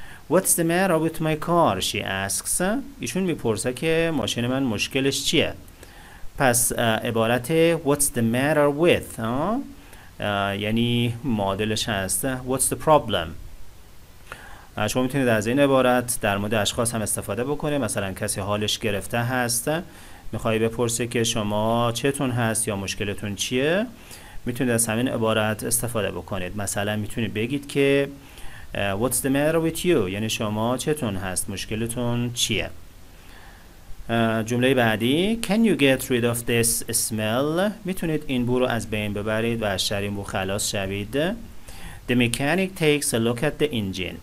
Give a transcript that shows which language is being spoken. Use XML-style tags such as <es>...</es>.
<en>What's the matter with my car؟ she asks.</en> <fa>ایشون میپرسه که ماشین من مشکلش چیه؟ پس عبارت</fa> <en>What's the matter with؟</en> <fa>یعنی معادلش هست</fa> <en>What's the problem؟</en> <fa>شما میتونید از این عبارت در مورد اشخاص هم استفاده بکنه. مثلا کسی حالش گرفته هست، میخوایی بپرسه که شما چتون هست یا مشکلتون چیه، میتونید از همین عبارت استفاده بکنید. مثلا میتونید بگید که</fa> <en>What's the matter with you؟</en> <fa>یعنی شما چتون هست، مشکلتون چیه؟ جمله بعدی</fa> <en>Can you get rid of this smell؟</en> <fa>میتونید این بو رو از بین ببرید و از شر این بو خلاص شوید.</fa> <en>The mechanic takes a look at the engine.</en>